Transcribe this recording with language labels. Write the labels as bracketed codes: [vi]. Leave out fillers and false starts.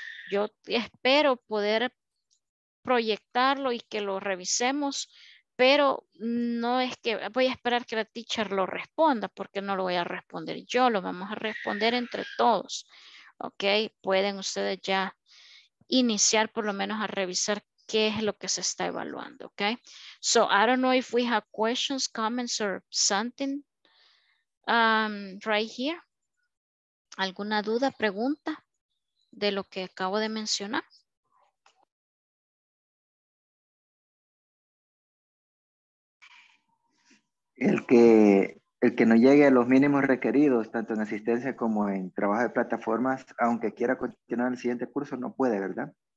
[es] Yo espero poder proyectarlo y que lo revisemos, pero no es que voy a esperar que la teacher lo responda, porque no lo voy a responder yo, lo vamos a responder entre todos. Ok, pueden ustedes ya iniciar por lo menos a revisar qué es lo que se está evaluando. [en] Ok, so I don't know if we have questions, comments or something right here. [es] ¿Alguna duda, pregunta de lo que acabo de mencionar? El que no llegue a los mínimos requeridos, tanto en asistencia como en trabajo de plataformas, aunque quiera continuar el siguiente curso, no puede, ¿verdad?